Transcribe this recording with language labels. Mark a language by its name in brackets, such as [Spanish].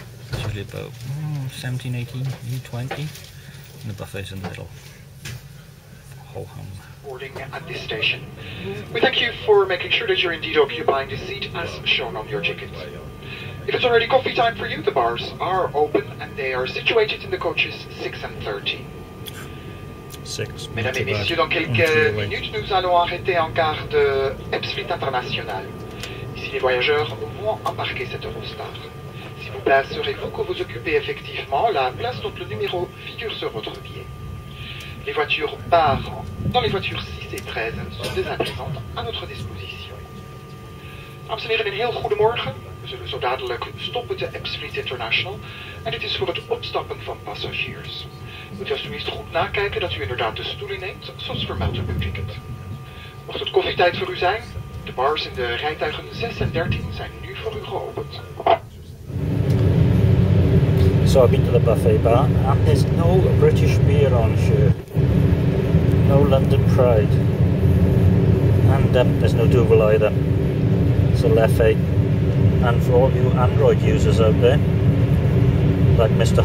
[English] It's usually about 17, 18, maybe 20. And the buffet's in the middle. Ho-hum. Boarding at this station. We thank you for making sure that you're indeed occupying the seat as shown on your ticket. If it's already coffee time for you, the bars are open and they are situated in the coaches 6 and 13. 6. [French] Mesdames et messieurs, dans quelques minutes, nous allons arrêter en gare de Ipswich International. Ici, les voyageurs vont embarquer cette Eurostar. S'il vous plaît, assurez-vous que vous occupez effectivement la place dont le numéro figure sur votre billet. Les voitures barres dans les voitures 6 et 13 sont dès à présent à notre disposition. Dames et messieurs, [Dutch] un heel goedemorgen. We zullen zo dadelijk stoppen te Ipswich International en dit is voor het opstappen van passagiers. Moet u alsjeblieft goed nakijken dat u inderdaad de stoelen neemt, zoals vermeld op uw ticket. Mocht het koffietijd voor u zijn, de bars in de rijtuigen 6 en 13 zijn nu voor u geopend. [English] So I've been to the buffet bar and there's no British beer on here. No London Pride. And there's no Duvel either. It's a Leffe. And for all you Android users out there, like Mr.